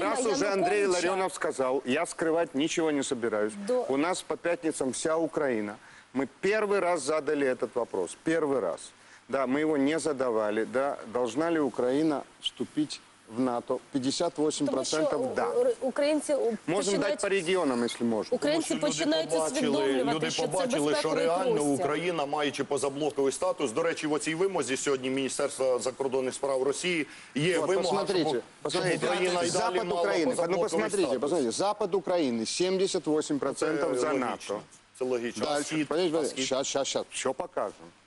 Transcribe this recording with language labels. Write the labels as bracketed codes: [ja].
[ru] раз уже Андрей Ларионов сказал, я скрывать ничего не собираюсь. У нас по пятницам вся Украина. Мы первый раз задали этот вопрос. Первый раз. Да, мы его не задавали. Да, должна ли Украина вступить в НАТО? 58% да. Украинцы можем дать по регионам, если можно. [uk] Украинцы починають усвідомлювати, люди побачили, що реально Україна, маючи позаблоковий статус, до речі, в оцій вимозі сьогодні Міністерства закордонних справ Росії є вимога, [ru] посмотрите, Запад України, посмотрите, Запад України 78% за НАТО. [uk] Це логічно. [ru] Дальше, сейчас, все покажем.